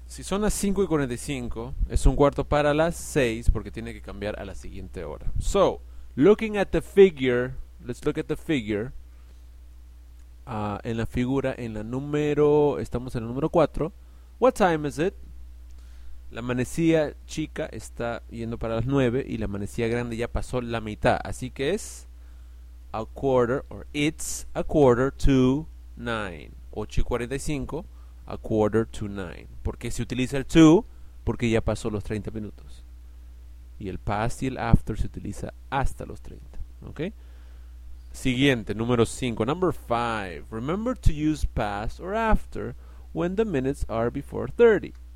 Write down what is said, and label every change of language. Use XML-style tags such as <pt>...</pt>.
<es>Si son las 5:45, es un cuarto para las 6, porque tiene que cambiar a la siguiente hora.</es> <en>So, looking at the figure, let's look at the figure.</en> <es>En la figura, en la número, estamos en el número 4.</es> <en>What time is it?</en> <es>La manecilla chica está yendo para las 9 y la manecilla grande ya pasó la mitad. Así que es</es> <en>a quarter, or it's a quarter to 9.</en> <es>8:45,</es> <en>a quarter to 9.</en> <es>¿Por qué se utiliza el to? Porque ya pasó los 30 minutos. Y el past y el after se utiliza hasta los 30. ¿Ok? Siguiente, número 5.</es> <en>Number 5. Remember to use past or after when the minutes are before 30.</en>